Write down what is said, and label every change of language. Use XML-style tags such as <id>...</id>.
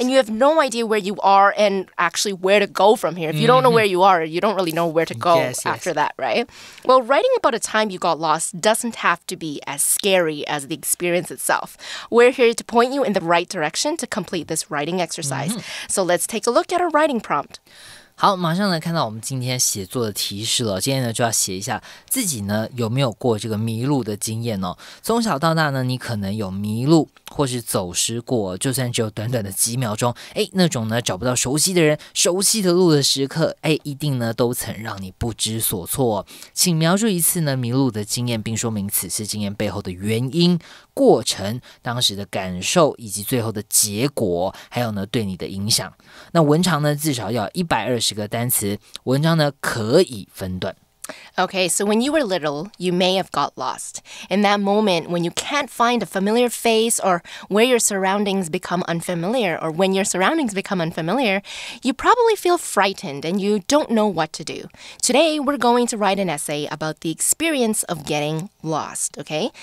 <en>And you have no idea where you are and actually where to go from here. If you don't know where you are, you don't really know where to go that, right? Well, writing about a time you got lost doesn't have to be as scary as the experience itself. We're here to point you in the right direction to complete this writing exercise. So let's take a look at a writing prompt.</en> <zh>好，马上来看到我们今天写作的提示了。今天呢，就要写一下自己呢有没有过这个迷路的经验呢？从小到大呢，你可能有迷路或是走失过，就算只有短短的几秒钟，那种呢找不到熟悉的人、熟悉的路的时刻，一定呢都曾让你不知所措。请描述一次呢迷路的经验，并说明此次经验背后的原因、过程、当时的感受以及最后的结果，还有呢对你的影响。那文长呢至少要120个单词，文章呢可以分段。</zh> <en>Okay, so when you were little, you may have got lost. In that moment, when you can't find a familiar face or where your surroundings become unfamiliar, or when your surroundings become unfamiliar, you probably feel frightened and you don't know what to do. Today, we're going to write an essay about the experience of getting lost, okay?</en>